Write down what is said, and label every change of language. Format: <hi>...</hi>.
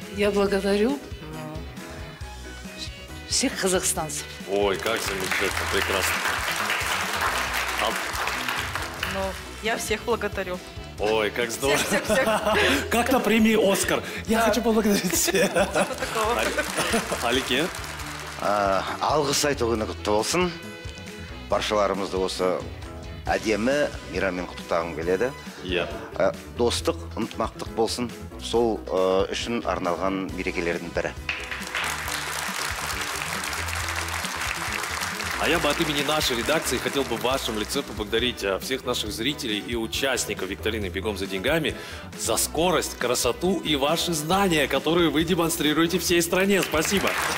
<ru>Я благодарю всех казахстанцев. Ой, как замечательно, прекрасно. Ну, я всех благодарю. Ой, как здорово. Всех, всех, всех. Как на премии «Оскар». Я хочу поблагодарить всех. Алике?</ru> <kk>Алғыс айтуға құтты болсын. Баршаларымызды осы әдемі мейраммен құттағым келеді. Достық, ынтымақтық болсын. Сол үшін арналған мерекелердің бірі.</kk> <ru>А я бы от имени нашей редакции хотел бы в вашем лице поблагодарить всех наших зрителей и участников викторины «Бегом за деньгами» за скорость, красоту и ваши знания, которые вы демонстрируете всей стране. Спасибо!</ru>